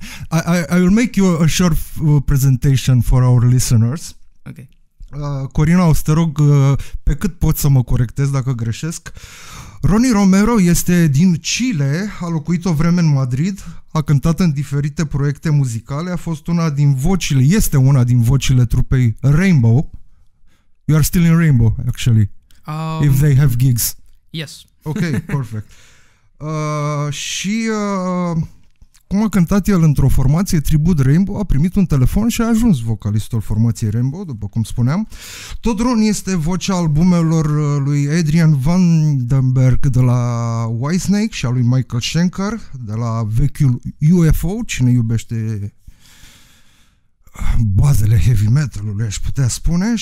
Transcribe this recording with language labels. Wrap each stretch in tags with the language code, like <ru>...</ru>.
<en>I will make you a short presentation for our listeners. Okay.</en> <ro>Corina, o să te rog, pe cât pot să mă corectez dacă greșesc. RONNIE ROMERO este din Chile, a locuit o vreme în Madrid, a cântat în diferite proiecte muzicale, a fost una din vocile, este una din vocile trupei RAINBOW.</ro> <en>You are still in RAINBOW, actually, if they have gigs. Yes. Ok, perfect.</en> <ro>Și cum a cântat el într-o formație tribut RAINBOW, a primit un telefon și a ajuns vocalistul formației RAINBOW, după cum spuneam. Tot RONNIE este vocea albumelor lui Adrian Vandenberg de la Whitesnake și a lui Michael Schenker de la vechiul UFO, cine iubește bazele heavy metal-ului, aș putea spune.</ro>